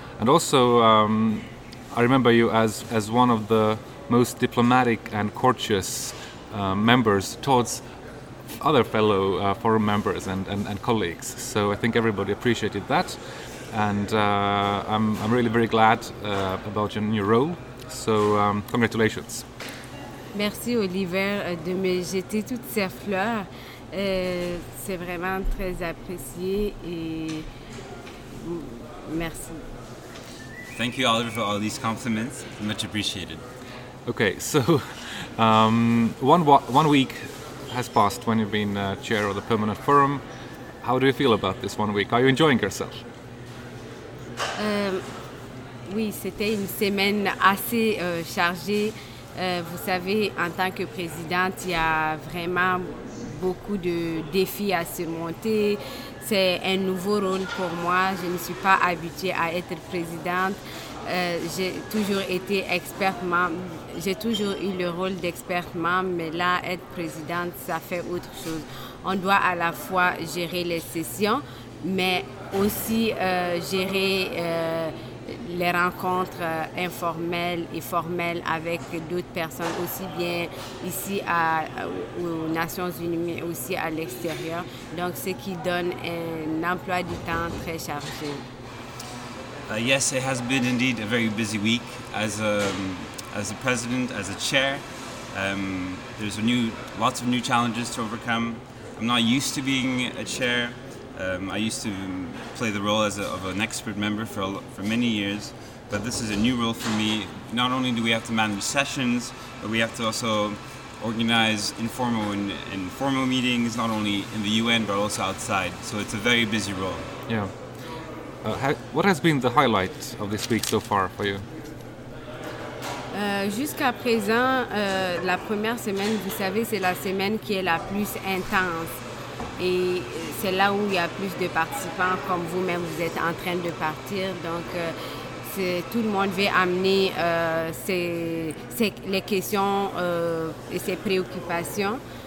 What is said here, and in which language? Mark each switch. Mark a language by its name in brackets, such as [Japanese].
[English] And also, I remember you as one of the most diplomatic and courteous members towards other fellow forum members and colleagues. So I think everybody appreciated that, and I'm really very glad about your new role. So congratulations. [French] Merci Oliver de me jeter toutes ces fleurs. C'est vraiment très apprécié et merci. [English] Thank you, Oliver, for all these compliments. Much appreciated. Okay, so one week has passed when you've been chair of the Permanent Forum. How do you feel about this 1 week? Are you enjoying yourself? [French] Oui, c'était une semaine assez chargée. Vous savez, en tant que présidente, il y a vraiment beaucoup de défis à surmonter. C'est un nouveau rôle pour moi. Je ne suis pas habituée à être présidente. J'ai toujours été experte membre. J'ai toujours eu le rôle d'experte membre, mais là, être présidente, ça fait autre chose. On doit à la fois gérer les sessions, mais aussi gérer les rencontres informelles et formelles avec d'autres personnes, aussi bien ici aux Nations Unies, mais aussi à l'extérieur. Donc, ce qui donne un emploi du temps très chargé. [English] Yes, it has been indeed a very busy week. As a president, as a chair, there's lots of new challenges to overcome. I'm not used to being a chair. I used to play the role of an expert member for many years, but this is a new role for me. Not only do we have to manage sessions, but we have to also organize informal and formal meetings, not only in the UN, but also outside. So it's a very busy role. Yeah. What has been the highlight of this week so far for you? [French] Jusqu'à présent, la première semaine, vous savez, c'est la semaine qui est la plus intense. Et c'est là où il y a plus de participants, comme vous-même, vous êtes en train de partir. Donc, tout le monde veut amener les questions et ses préoccupations.